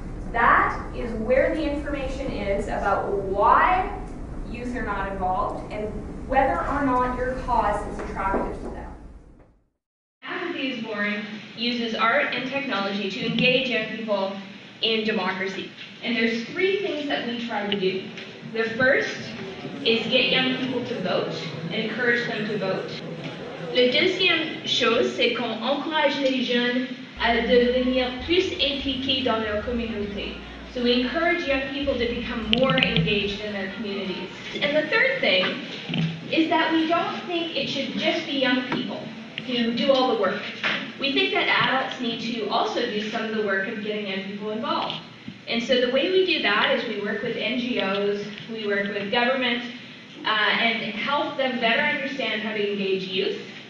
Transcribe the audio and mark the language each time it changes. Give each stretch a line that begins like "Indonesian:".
English: That is where the information is about why youth are not involved and whether or not your cause is attractive to them. Apathy is Born uses art and technology to engage young people in democracy. And there's three things that we try to do. The first is get young people to vote and encourage them to vote.
French: La deuxième chose, c'est qu'on encourage les jeunes à devenir plus impliqués dans leur communauté.
English: So we encourage young people to become more engaged in their communities. And the third thing is that we don't think it should just be young people who do all the work. We think that adults need to also do some of the work of getting young people involved. And so the way we do that is we work with NGOs, we work with government, and help them better understand how to engage youth.